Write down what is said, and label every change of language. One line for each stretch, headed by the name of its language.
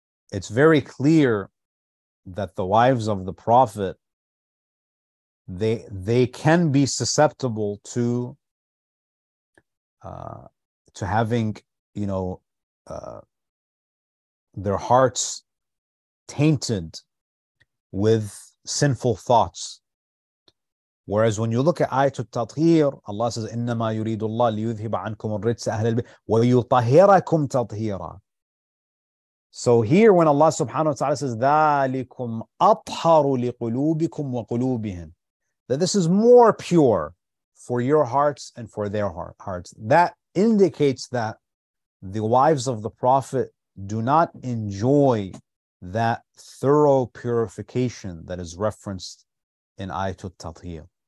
English: it's very clear that the wives of the Prophet, they can be susceptible to having, you know, their hearts tainted with sinful thoughts. Whereas when you look at Ayatul Tatheer, Allah says,
Arabic: إِنَّمَا يُرِيدُ اللَّهِ لِيُذْهِبَ عَنْكُمُ الرِّجْسَ أَهْلَ الْبَيْتِ وَيُطَهِرَكُمْ تَطْهِيرًا.
English: So here when Allah subhanahu wa ta'ala says,
Arabic: ذَلِكُمْ أَطْهَرُ لِقُلُوبِكُمْ وَقُلُوبِهِمْ,
English: that this is more pure for your hearts and for their hearts. That indicates that the wives of the Prophet do not enjoy that thorough purification that is referenced in Ayatul Tathir.